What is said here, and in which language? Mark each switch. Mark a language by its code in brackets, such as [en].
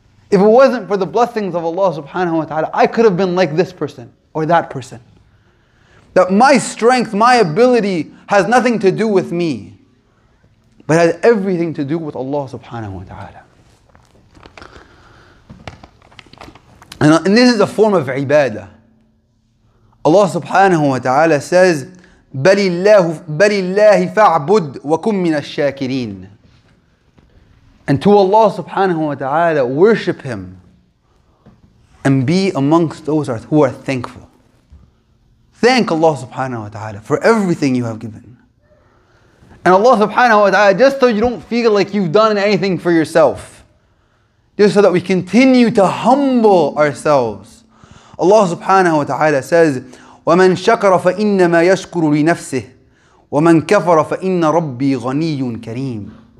[en] If it wasn't for the blessings of Allah subhanahu wa ta'ala, I could have been like this person or that person. That my strength, my ability has nothing to do with me, but has everything to do with Allah subhanahu wa ta'ala. And this is a form of ibadah. [ar] Allah subhanahu wa ta'ala [en] says, [ar] بَلِ اللَّهِ فَاعْبُدْ وَكُمْ مِنَ الشَّاكِرِينَ. [en] And to Allah subhanahu wa ta'ala, worship Him and be amongst those who are thankful. Thank Allah subhanahu wa ta'ala for everything you have given. And Allah subhanahu wa ta'ala, just so you don't feel like you've done anything for yourself, just so that we continue to humble ourselves, Allah subhanahu wa ta'ala says, [ar] وَمَنْ شَكَرَ فَإِنَّمَا يَشْكُرُ لِنَفْسِهِ وَمَنْ كَفَرَ فَإِنَّ رَبِّي غَنِيٌّ كَرِيمٌ.